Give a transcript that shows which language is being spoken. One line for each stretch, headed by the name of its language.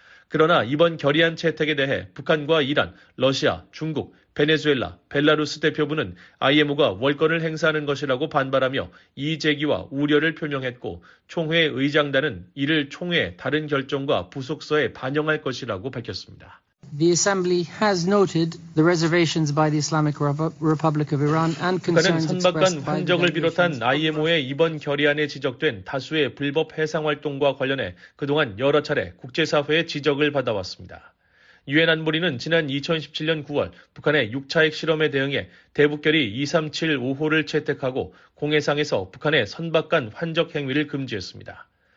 Korean: 그러나 이번 결의안 채택에 대해 북한과 이란, 러시아, 중국, 베네수엘라, 벨라루스 대표부는 IMO가 월권을 행사하는 것이라고 반발하며 이의 제기와 우려를 표명했고 총회 의장단은 이를 총회 다른 결정과 부속서에 반영할 것이라고 밝혔습니다.
English: The Assembly has noted the reservations by the Islamic Republic of Iran and concerns expressed by the IMO.
Korean: 북한은 선박 간 환적을 비롯한 IMO의 이번 결의안에 지적된 다수의 불법 해상 활동과 관련해 그동안 여러 차례 국제사회의 지적을 받아왔습니다. 유엔 안보리는 지난 2017년 9월 북한의 6차 핵실험에 대응해 대북결의 2375호를 채택하고 공해상에서 북한의 선박 간 환적 행위를 금지했습니다.